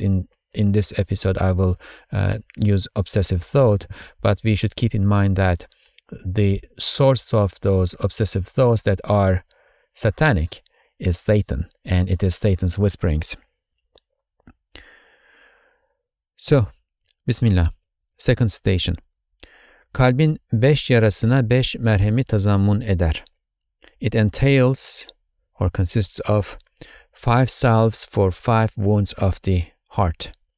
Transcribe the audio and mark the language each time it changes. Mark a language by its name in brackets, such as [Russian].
[English] In this episode, I will use obsessive thought, but we should keep in mind that the source of those obsessive thoughts that are satanic is Satan, and it is Satan's whisperings. So, Bismillah, second station. [Turkish] Kalbin beş yarasına beş merhemi tazammun eder. [English] It entails or consists of five salves for five wounds of the heart.